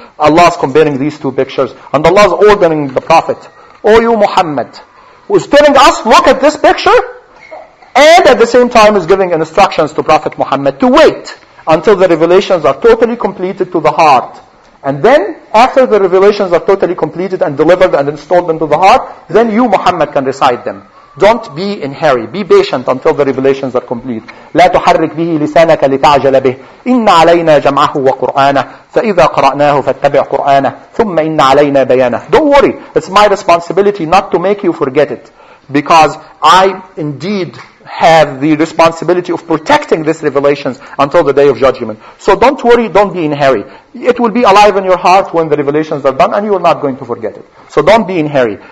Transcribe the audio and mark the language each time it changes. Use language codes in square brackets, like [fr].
[en] Allah is comparing these two pictures. And Allah is ordering the Prophet, O you Muhammad, who is telling us, look at this picture, and at the same time is giving instructions to Prophet Muhammad to wait until the revelations are totally completed to the heart. And then, after the revelations are totally completed and delivered and installed into the heart, then you Muhammad can recite them. Don't be in hurry. Be patient until the revelations are complete. [ar] لا تحرك به لسانك لتعجل به. إن علينا جمعه وقرآنه. فإذا قرأناه فاتبع قرآنه. ثم إن علينا بيانه. [en] Don't worry. It's my responsibility not to make you forget it, because I indeed have the responsibility of protecting these revelations until the Day of Judgment. So don't worry. Don't be in hurry. It will be alive in your heart when the revelations are done, and you are not going to forget it. So don't be in hurry.